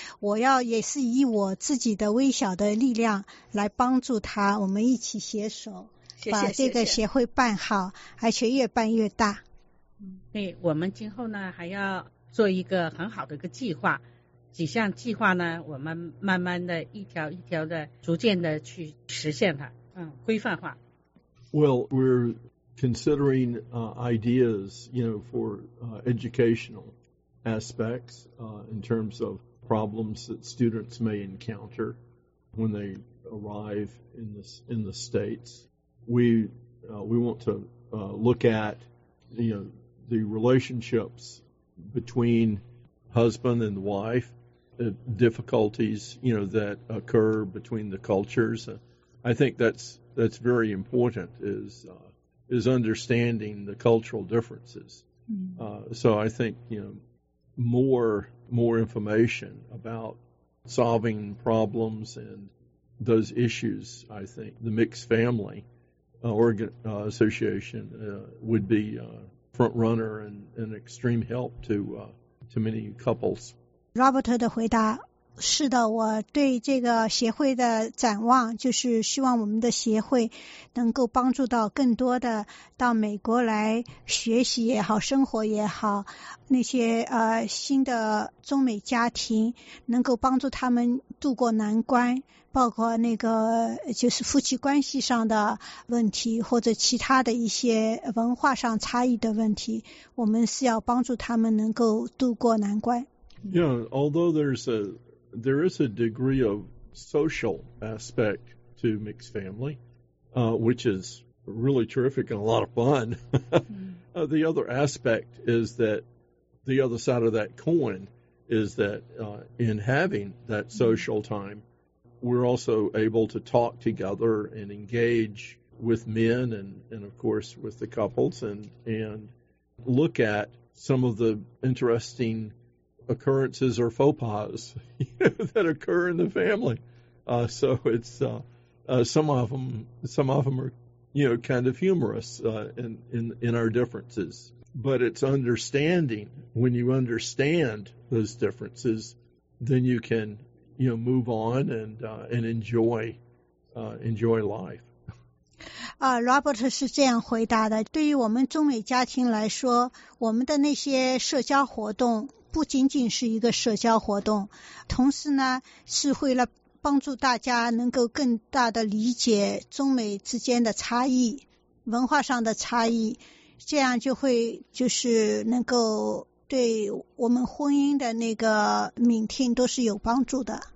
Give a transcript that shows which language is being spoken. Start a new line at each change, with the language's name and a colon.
Chinese: 我要也是以我自己的微小的力量来帮助他，我们一起携手把这个协会办好，而且越办越大。嗯，对，我们今后呢还要做一个很好的一个计划，几项计划呢，我们慢慢的一条一条的逐渐的去实现它，规范化。
English: Well, we're considering ideas, you know, for educational aspects in terms of problems that students may encounter when they arrive in the States. We want to look at, you know, the relationships between husband and wife, the difficulties, you know, that occur between the cultures. I think that's very important, is understanding the cultural differences. So I think, you know, more information about solving problems and those issues, I think the mixed family association would be front runner and extreme help to many couples.
Chinese: Robert 的回答是的，我对这个协会的展望就是希望我们的协会能够帮助到更多的到美国来学习也好，生活也好，那些新的中美家庭能够帮助他们渡过难关，包括那个就是夫妻关系上的问题或者其他的一些文化上差异的问题，我们是要帮助他们能够渡过难关。
English: Yeah, although there is a degree of social aspect to mixed family, which is really terrific and a lot of fun. The other aspect is that the other side of that coin is that in having that social time, we're also able to talk together and engage with men and of course with the couples and look at some of the interesting occurrences or faux pas that occur in the family. So it's some of them are, you know, kind of humorous in our differences. But it's understanding. When you understand those differences, then you can, you know, move on and enjoy life.
Chinese: Robert 是这样回答的，对于我们中美家庭来说，我们的那些社交活动不仅仅是一个社交活动，同时呢，是为了帮助大家能够更大的理解中美之间的差异，文化上的差异，这样就会就是能够对我们婚姻的那个敏听都是有帮助的。